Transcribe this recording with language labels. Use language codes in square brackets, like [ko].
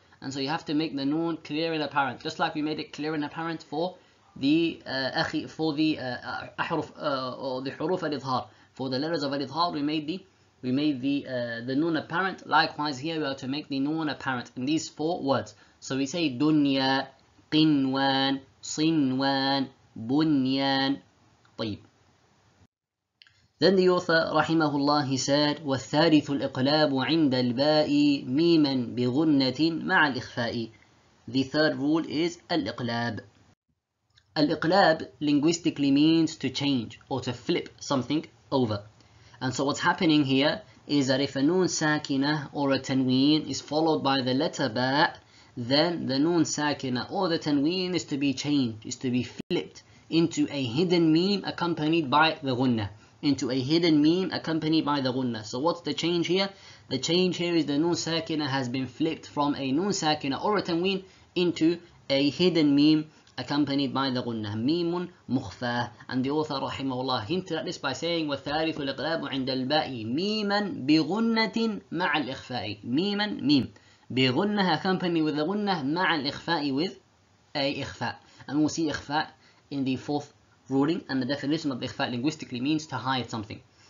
[en] And so you have to make the noon clear and apparent, just like we made it clear and apparent for the حروف الإظهار. For the letters of الإظهار, we made the noon apparent. Likewise here, we are to make the noon apparent in these four words. So we say دنيا, قنوان, صنوان, بنيان, طيب. [ar] Then the author, رحمه الله, he said, والثالث الإقلاب عند الباء ميما بغنة مع الإخفاء. [en] The third rule is الإقلاب. الإقلاب linguistically means to change or to flip something over. And so what's happening here is that if a noon ساكنة or a تنوين is followed by the letter باء, then the noon ساكنة or the تنوين is to be changed, is to be flipped into a hidden meme accompanied by the غنة. Into a hidden meme accompanied by the ghunnah. So what's the change here? The change here is the noon sakinah has been flipped from a noon sakinah or a tanween into a hidden meme accompanied by the ghunnah. Mimun mukhfah. And the author rahimahullah hinted at this by saying والثالث الإقلاب عند الباء ميما بغنة مع الإخفاء. ميما ميم بغنة accompanied with the ghunnah مع الإخفاء with a إخفاء. And we'll see إخفاء in the fourth ruling, and the definition of ikhfa linguistically means to hide something.